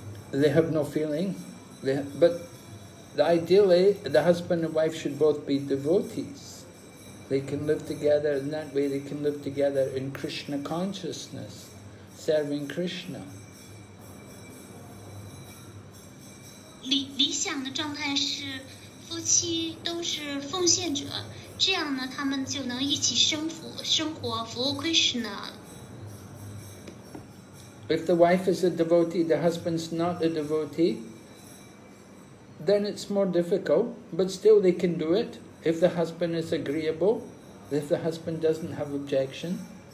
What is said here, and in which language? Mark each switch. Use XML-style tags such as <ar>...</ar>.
<en>They have no feeling, but ideally the husband and wife should both be devotees. They can live together, and that way they can live together in Krishna consciousness, serving Krishna.</en> <zh>理想的状态是 夫妻都是奉献者, 这样呢, 他们就能一起生活, 生活, 服务 Krishna.</zh> <en>If the wife is a devotee, the husband's not a devotee, then it's more difficult, but still they can do it if the husband is agreeable, if the husband doesn't have objection.</en>